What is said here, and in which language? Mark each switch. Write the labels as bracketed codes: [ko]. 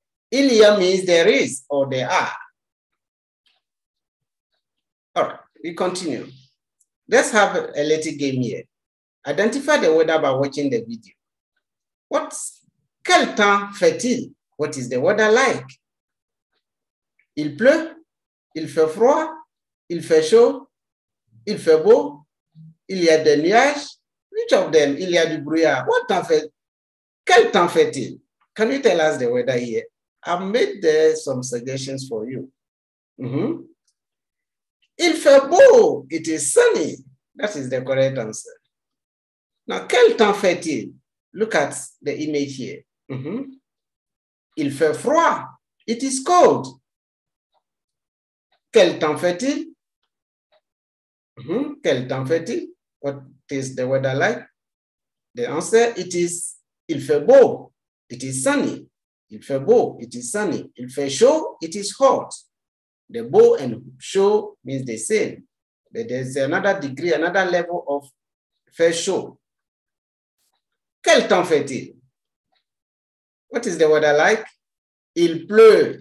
[en] Il y a means there is or there are. All right, we continue. Let's have a little game here. Identify the weather by watching the video. [fr] Quel temps fait-il? [en] What is the weather like? [fr] Il pleut? Il fait froid, il fait chaud, il fait beau, il y a des nuages. [en] Which of them? [fr] Il y a du brouillard. What temps fait? Quel temps fait-il? [en] Can you tell us the weather here? I made there some suggestions for you. Mm-hmm. [fr] Il fait beau, [en] it is sunny. That is the correct answer. Now, [fr] quel temps fait-il? [en] Look at the image here. Mm-hmm. [fr] Il fait froid, [en] it is cold. [fr] Quel temps fait-il? Mm-hmm. Quel temps fait-il? [en] What is the weather like? The answer, it is, [fr] il fait beau. [en] It is sunny. [fr] Il fait beau. [en] It is sunny. [fr] Il fait chaud. [en] It is hot. The beau and chaud means the same. But there's another degree, another level of fait chaud. [fr] Quel temps fait-il? [en] What is the weather like? [fr] Il pleut.